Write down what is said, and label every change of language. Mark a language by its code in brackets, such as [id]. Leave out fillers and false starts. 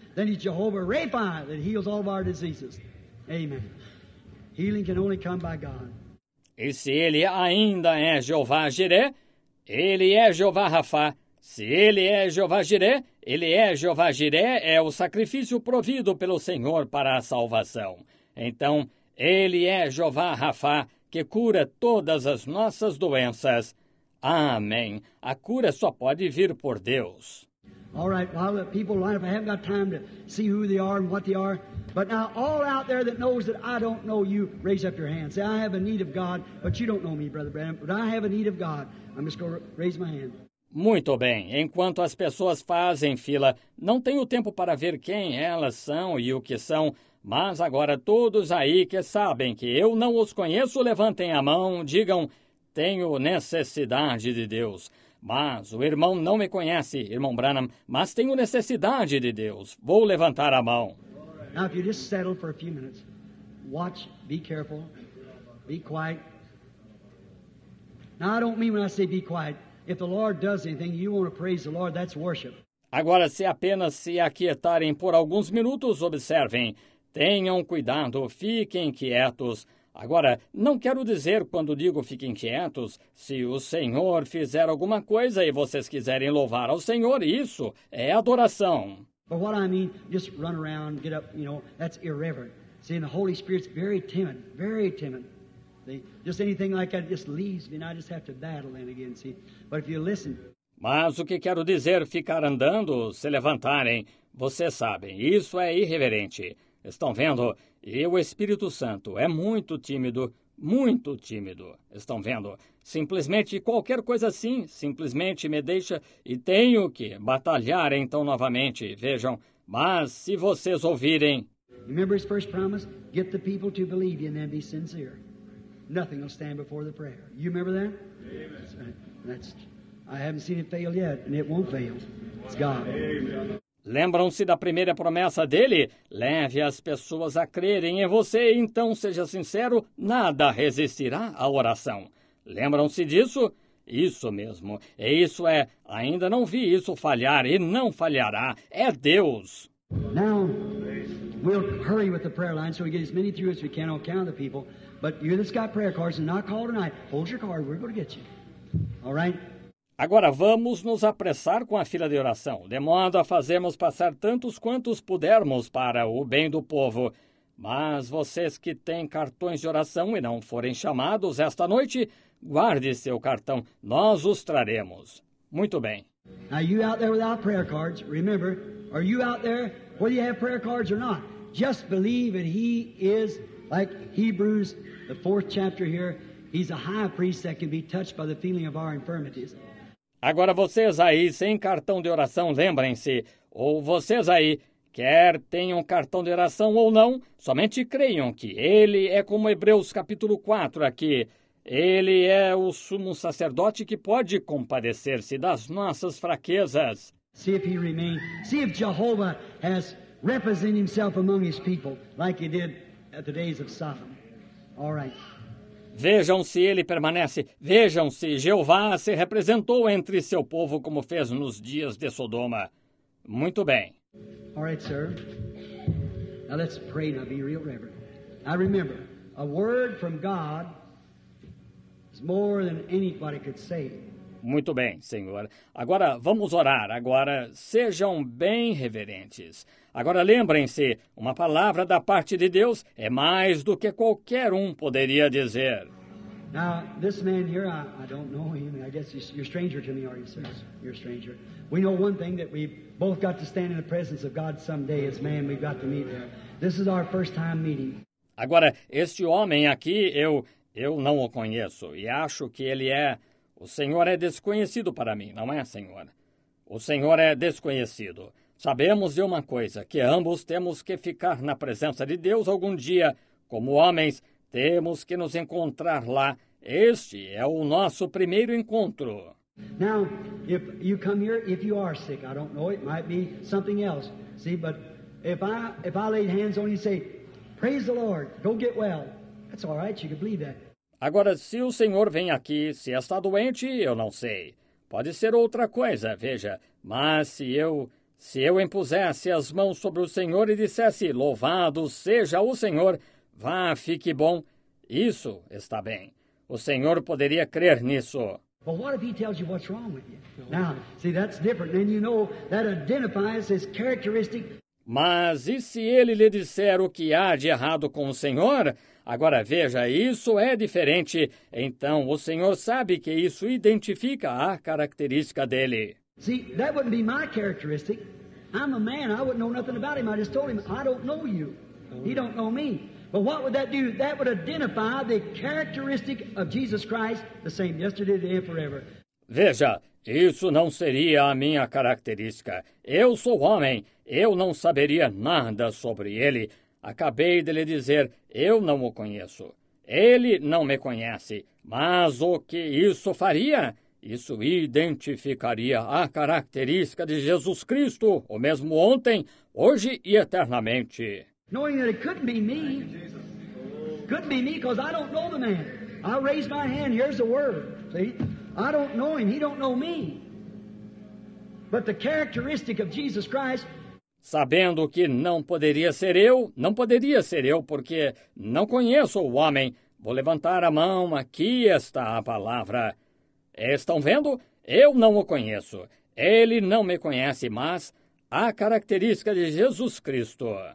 [en] Then he's Jehovah Rapha that heals all of our diseases. Amen. Healing can only come by God. [pt] E se ele ainda é Jeová Jireh, ele é Jeová Rafá. Se ele é Jeová Jireh, ele é Jeová Jireh, é o sacrifício provido pelo Senhor para a salvação. Então, ele é Jeová Rafá, que cura todas as nossas doenças. Amém. A cura só pode vir por Deus. [en] All right, well, the people line up. I haven't got time to see who they are and what they are. But now, all out there that knows that I don't know you, raise up your hand. Say, I have a need of God, but you don't know me, Brother Branham, but I have a need of God. I'm just going to raise my hand. [pt] Muito bem. Enquanto as pessoas fazem fila, não tenho tempo para ver quem elas são e o que são, mas agora todos aí que sabem que eu não os conheço, levantem a mão, digam, tenho necessidade de Deus. Mas o irmão não me conhece, irmão Branham, mas tenho necessidade de Deus. Vou levantar a mão. [en] Now, if you just settle for a few minutes, watch, be careful, be quiet. Now, I don't mean when I say be quiet. If the Lord does anything, you want to praise the Lord, that's worship. [pt] Agora, se apenas se aquietarem por alguns minutos, observem. Tenham cuidado, fiquem quietos. Agora, não quero dizer quando digo fiquem quietos, se o Senhor fizer alguma coisa e vocês quiserem louvar ao Senhor, isso é adoração. [en] But what I mean, just run around, get up, you know, that's irreverent. See, and the Holy Spirit's very timid, very timid. See, just anything like that just leaves me, and I just have to battle them again, see. But if you listen... [pt] Mas o que quero dizer, ficar andando, se levantarem, vocês sabem, isso é irreverente. Estão vendo? E o Espírito Santo é muito tímido, muito tímido. Estão vendo? Simplesmente qualquer coisa assim, simplesmente me deixa e tenho que batalhar então novamente. Vejam, mas se vocês ouvirem... [en] Remember his first promise? Get the people to believe you and then be sincere. Nothing will stand before the prayer. You remember that? Amen. I haven't seen it fail yet, and it won't fail. It's God. Amen. [pt] Lembram-se da primeira promessa dele? Leve as pessoas a crerem em você, então seja sincero, nada resistirá à oração. Lembram-se disso? Isso mesmo. E isso é, ainda não vi isso falhar e não falhará. É Deus. [en] Now, we'll hurry with the prayer line so we get as many through as we can on count of the people. But you that's got prayer cards and not called tonight, hold your card, we're going to get you. All right? [pt] Agora vamos nos apressar com a fila de oração, de modo a fazermos passar tantos quantos pudermos para o bem do povo. Mas vocês que têm cartões de oração e não forem chamados esta noite, guarde seu cartão, nós os traremos. Muito bem. [en] Now you out there without prayer cards, remember, are you out there, whether you have prayer cards or not, just believe that he is like Hebrews, the fourth chapter here, he's a high priest that can be touched by the feeling of our infirmities. [pt] Agora vocês aí, sem cartão de oração, lembrem-se, ou vocês aí, quer tenham cartão de oração ou não, somente creiam que ele é como Hebreus capítulo 4 aqui, ele é o sumo sacerdote que pode compadecer-se das nossas fraquezas. [en] See if he remains, see if Jehovah has represented himself among his people, like he did at the days of Sodom. All right. [pt] Vejam se ele permanece, vejam se Jeová se representou entre seu povo como fez nos dias de Sodoma. Muito bem. [en] All right, sir. Now let's pray and be real reverent. I remember, a word from God is more than anybody could say. [pt] Muito bem, senhor. Agora vamos orar, agora sejam bem reverentes. Agora lembrem-se, uma palavra da parte de Deus é mais do que qualquer um poderia dizer. [en] Now, this man here, I don't know him. I guess you're a stranger to me, are you, sir? You're a stranger. We know one thing, that we both got to stand in the presence of God someday as man we've got to meet there. This is our first time meeting. [pt] Agora, este homem aqui, eu não o conheço e acho que ele é... O senhor é desconhecido para mim, não é, senhor? O senhor é desconhecido. Sabemos de uma coisa, que ambos temos que ficar na presença de Deus algum dia. Como homens, temos que nos encontrar lá. Este é o nosso primeiro encontro. [en] Now, if you come here, if you are sick, I don't know, it might be something else. See, but if I lay hands on you and say, praise the Lord, go get well, that's all right, you can believe that. [pt] Agora, se o senhor vem aqui, se está doente, eu não sei. Pode ser outra coisa, veja. Mas se eu impusesse as mãos sobre o senhor e dissesse, louvado seja o senhor, vá, fique bom, isso está bem. O senhor poderia crer nisso. [en] Well, what if he tells you what's wrong with you? Now, see, that's different. And you know, that identifies his characteristic. [pt] Mas e se ele lhe disser o que há de errado com o senhor? Agora veja, isso é diferente. Então o senhor sabe que isso identifica a característica dele. [en] See, that wouldn't be my characteristic. I'm a man, I wouldn't know nothing about him. I just told him, I don't know you. He don't know me. But what would that do? That would identify the characteristic of Jesus Christ, the same yesterday, today and forever. [pt] Veja, isso não seria a minha característica. Eu sou homem, eu não saberia nada sobre ele. Acabei de lhe dizer, eu não o conheço. Ele não me conhece, mas o que isso faria? Isso identificaria a característica de Jesus Cristo, o mesmo ontem, hoje e eternamente. [en] Knowing that it couldn't be me. Couldn't be me, because I don't know the man. I raise my hand, here's the word, see? I don't know him, he don't know me. But the characteristic of Jesus Christ... [pt] Sabendo que não poderia ser eu, porque não conheço o homem. Vou levantar a mão, aqui está a palavra. Estão vendo? Eu não o conheço. Ele não me conhece, mas a característica de Jesus Cristo.